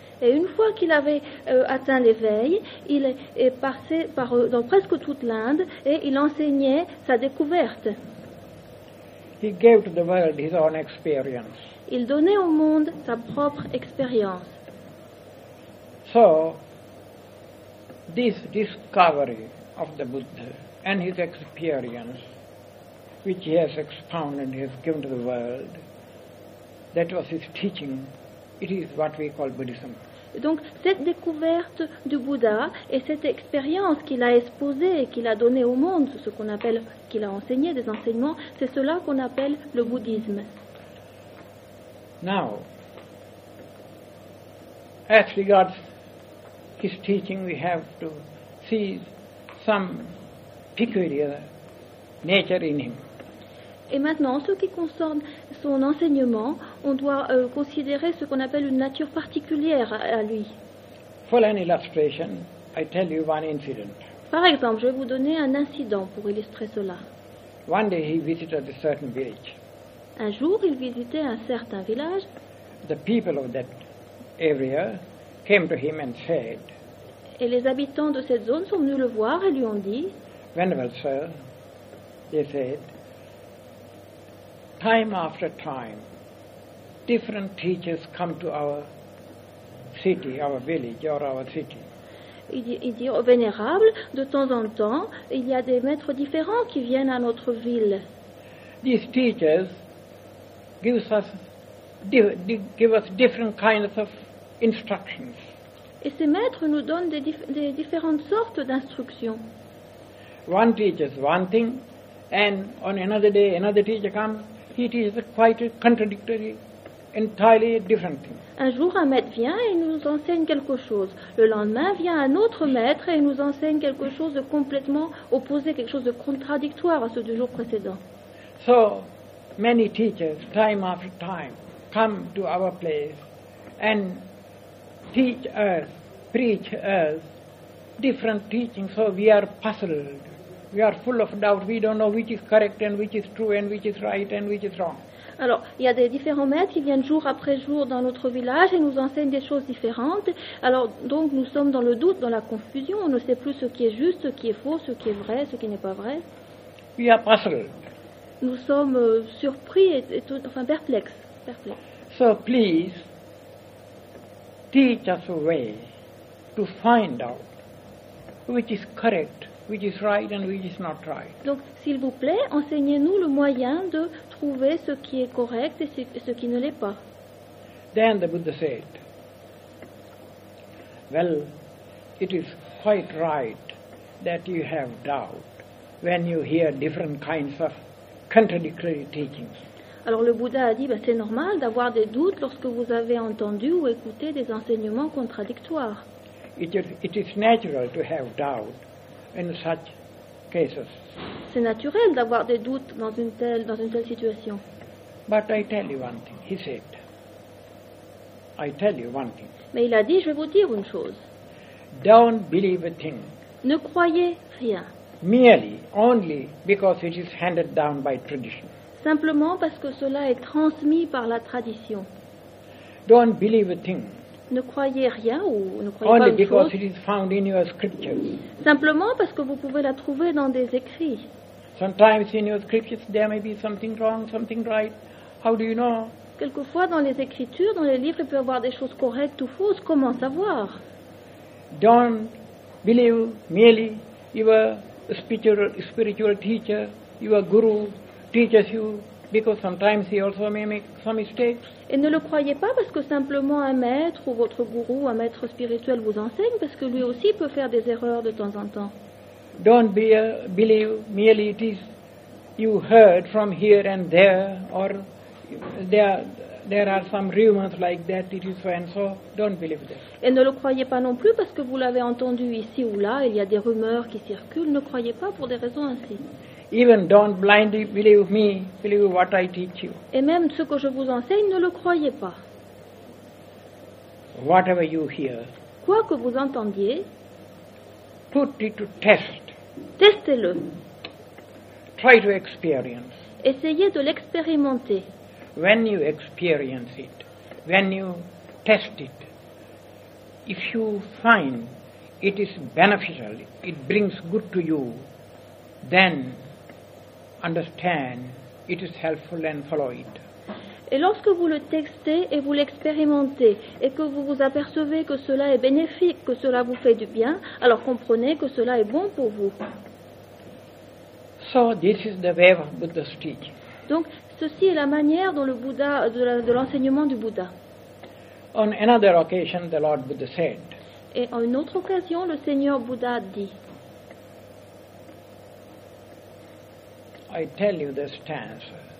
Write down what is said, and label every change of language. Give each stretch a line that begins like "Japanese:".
French: Et une fois qu'il avait atteint l'éveil, il est passé par, dans presque toute l'Inde et il enseignait sa découverte.
English: He gave to the world his own experience.
French: Il donnait au monde sa propre expérience.
English: So, this discovery of the Buddha and his experience, which he has expounded, he has given to the world, that was his teaching, it is what we call Buddhism.
French: Donc, cette découverte du Bouddha et cette expérience qu'il a exposée et qu'il a donnée au monde, ce qu'on appelle, qu'il a enseigné des enseignements, c'est cela qu'on appelle le bouddhisme.
English: Now, as regards his teaching, we have to see some peculiar nature in him.
French: Et maintenant, en ce qui concerne son enseignement, on doit considérer ce qu'on appelle une nature particulière à lui.
English: For an illustration, I tell you one incident.
French: Par exemple, je vais vous donner un incident pour illustrer cela.
English: One day he visited a certain village.
French: Un jour, il visitait un certain village.
English: The people of that area came to him and said,
French: et les habitants de cette zone sont venus le voir et lui ont dit,
English: Venerable sir, they said, time after time, different teachers come to our city, our village, or our city.
French: Il dit, oh, vénérable, de temps en temps, il y a des maîtres différents qui viennent à notre ville.
English: These teachers give us different kinds of instructions.
French: Et ces maîtres nous donnent des différentes sortes d'instructions.
English: One teaches one thing, and on another day, another teacher comes. It is quite a contradictory, entirely different thing.
French: Un jour, un maître vient et nous enseigne quelque chose. Le lendemain, vient un autre maître et nous enseigne quelque chose de complètement opposé, quelque chose de contradictoire à ce du jour précédent.
English: So, many teachers, time after time, come to our place and teach us, preach us different teachings, so we are puzzled. We are full of doubt. We don't know which is correct and which is true and which is right and which is wrong.
French: Alors, il y a des différents maîtres qui viennent jour après jour dans notre village et nous enseignent des choses différentes. Alors, donc, nous sommes dans le doute, dans la confusion. On ne sait plus ce qui est juste, ce qui est faux, ce qui est vrai, ce qui n'est pas vrai.
English: We are puzzled.
French: Nous sommes surpris et perplexes.
English: So please teach us a way to find out which is correct. Which is right and which is not right.
French: Donc, s'il vous plaît, enseignez-nous le moyen de trouver ce qui est correct et ce qui ne l'est pas.
English: Then the Buddha said, Well, it is quite right that you have doubt, when you hear different kinds of contradictory teachings.
French: Alors le Bouddha a dit, c'est normal d'avoir des doutes lorsque vous avez entendu ou écouté des enseignements contradictoires.
English: It is natural to have doubt in such cases.
French: C'est naturel d'avoir des doutes dans une telle situation.
English: But I tell you one thing, he said. I tell you one thing.
French: Mais il a dit, je vais vous dire une chose.
English: Don't believe a thing.
French: Ne croyez rien.
English: Merely, only because it is handed down by tradition.
French: Simplement parce que cela est transmis par la tradition.
English: Don't believe a thing.
French: Ne croyez rien ou ne croyez
English: only
French: pas une
English: because
French: chose.
English: It is found in your scriptures.
French: Simplement parce que vous pouvez la trouver dans des écrits.
English: Sometimes in your scriptures there may be something wrong, something right. How do you know?
French: Quelquefois dans les écritures, dans les livres, il peut y avoir des choses correctes ou fausses. Comment savoir?
English: Don't believe merely your spiritual teacher, your guru teaches you, because sometimes he also may make some mistakes.
French: Et ne le croyez pas parce que simplement un maître ou votre gourou, un maître spirituel vous enseigne, parce que lui aussi peut faire des erreurs de temps en temps.
English: Don't believe merely it is you heard from here and there, or there are some rumors like that, it is so and so. Don't believe that.
French: Et ne le croyez pas non plus parce que vous l'avez entendu ici ou là, il y a des rumeurs qui circulent, ne croyez pas pour des raisons ainsi.
English: Even don't blindly believe me, believe what I teach you.
French: Et même ce que je vous enseigne, ne le croyez pas.
English: Whatever you hear.
French: Quoi que vous entendiez.
English: Put it to test.
French: Testez-le.
English: Try to experience.
French: Essayez de l'expérimenter.
English: When you experience it, when you test it, if you find it is beneficial, it brings good to you, then understand it is helpful and follow it.
French: Et lorsque vous le testez et vous l'expérimentez et que vous vous apercevez que cela est bénéfique, que cela vous fait du bien, alors comprenez que cela est bon pour vous.
English: So this is the way of Buddha's teaching.
French: Donc ceci est la manière dont le Bouddha de l'enseignement du Bouddha.
English: On another occasion, the Lord Buddha said.
French: Et en une autre occasion, le Seigneur Bouddha dit.
English: I tell you this stanza.